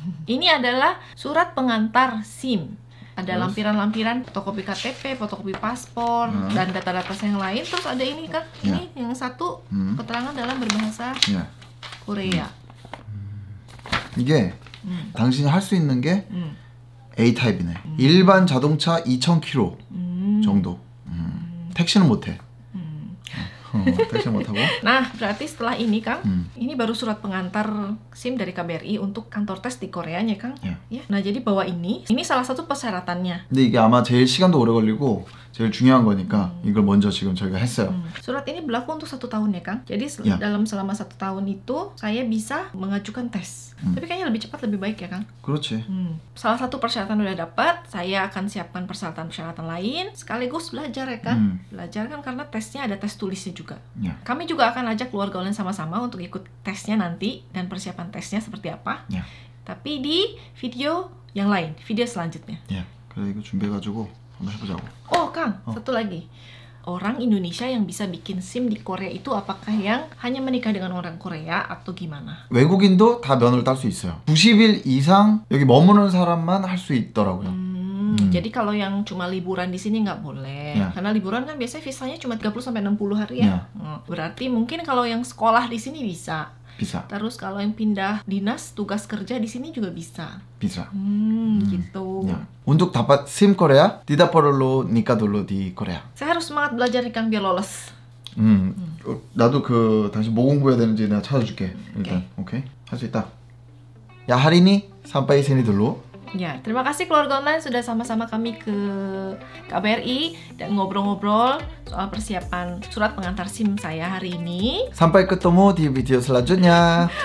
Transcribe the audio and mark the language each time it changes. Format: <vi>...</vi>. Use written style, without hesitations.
<id>Ini adalah surat pengantar SIM. Ada lampiran-lampiran, fotokopi KTP, fotokopi paspor, dan data-data yang lain. Terus ada ini, Kang. Ini yang satu, keterangan dalam berbahasa Korea.</id> <ko>이게 당신이 할 수 있는 게 A타입이네. 일반 자동차 2,000km 정도. 택시는 못해. 택시는 못하고.</ko> <id>Nah, berarti setelah ini, Kang. Ini baru surat pengantar SIM dari KBRI untuk kantor tes di Koreanya, Kang. Nah, jadi bawa ini. Ini salah satu persyaratannya.</id> <ko>근데 이게 아마 제일 시간도 오래 걸리고 제일 중요한 거니까 이걸 먼저 지금 저희가 했어요.</ko> <id>Surat ini berlaku untuk 1 tahun ya, Kang. Jadi dalam selama 1 tahun itu saya bisa mengajukan tes. Tapi kayaknya lebih cepat lebih baik ya, Kang?</id> <ko>그렇지.</ko> <id>Salah satu persyaratan udah dapat, saya akan siapkan persyaratan-persyaratan lain sekaligus belajar ya, Kang. Belajar kan karena tesnya ada tes tulisnya juga. Kami juga akan ajak keluarga online sama-sama untuk ikut tesnya nanti dan persiapan tesnya seperti apa. Tapi di video yang lain, video selanjutnya. Kalau itu</id> <ko>준비해 가지고 한번 해 보자고.</ko> <id>Oh, Kang, satu lagi. Orang Indonesia yang bisa bikin SIM di Korea itu apakah yang hanya menikah dengan orang Korea atau gimana?</id> <ko>외국인도 다 면허를 딸 수 있어요. 90일 이상 여기 머무는 사람만 할 수 있더라고요.</ko> <id>Jadi kalau yang cuma liburan di sini nggak boleh. Karena liburan kan biasanya visanya cuma 30-60 hari ya. Berarti mungkin kalau yang sekolah di sini bisa. Bisa. Terus kalau yang pindah dinas, tugas kerja di sini juga bisa. Bisa. Gitu. Untuk dapat SIM Korea, tidak perlu nikah dulu di Korea. Saya harus semangat belajar nih, Kang, biar lolos.</id> <ko>나도 그 당신 뭐 공부해야 되는지 내가 찾아줄게. 일단. 오케이. 할 수 있다.</ko> <id>야, 하린이 sampai sini dulu. Ya, terima kasih keluarga online sudah sama-sama kami ke KBRI dan ngobrol-ngobrol soal persiapan surat pengantar SIM saya hari ini. Sampai ketemu di video selanjutnya.</id>